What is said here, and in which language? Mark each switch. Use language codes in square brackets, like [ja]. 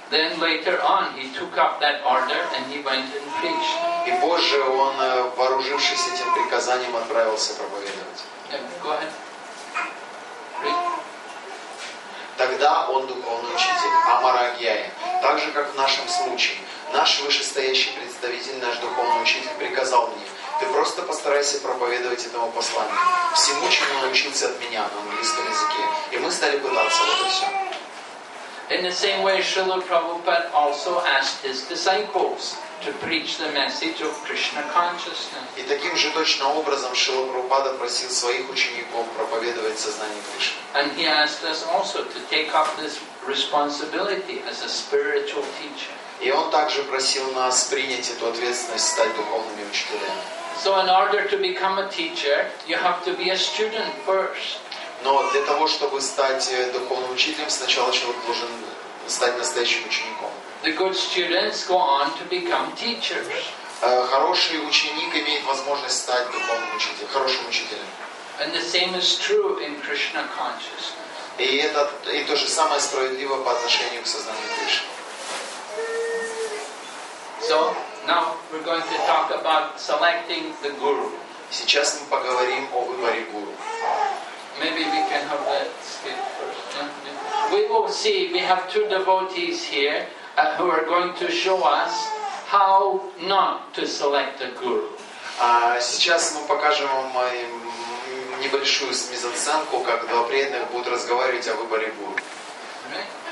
[en] Then later on he took up that order and he went and preached. [ru] И позже он, вооружившись этим приказанием, отправился проповедовать. [en] Go ahead. [ru] Тогда он духовный учитель, Амарагьяя. Так же, как в нашем случае. Наш вышестоящий представитель, наш духовный учитель, приказал мне: ты просто постарайся проповедовать этому посланию. Всему, чему научился от меня на английском языке. И мы стали пытаться, вот и все. [en] In the same way, Srila Prabhupada also asked his disciples to preach the message of Krishna consciousness. [ru] И таким же точно образом Шрила Прабхупада просил своих учеников проповедовать сознание Кришны. [en] And he asked us also to take up this responsibility as a spiritual teacher. [ru] И он также просил нас принять эту ответственность стать духовными учителями. [en] So in order to become a teacher, you have to be a student first. [ru] Но для того, чтобы стать духовным учителем, сначала человек должен стать настоящим учеником. [en] The good students go on to become teachers. [ru] Хороший ученик имеет возможность стать духовным учителем, хорошим учителем. [en] And the same is true in Krishna consciousness. [ru] И то же самое справедливо по отношению к сознанию Кришны. [en] So, now we're going to talk about selecting the guru. [ru] Сейчас мы поговорим о выборе гуру. [en] Maybe we can have that skip first. We will see, we have two devotees here who are going to show us how not to select a guru. [ru] Сейчас мы покажем вам небольшую мизансценку, как два преданных будут разговаривать о выборе гуру. [en] Right?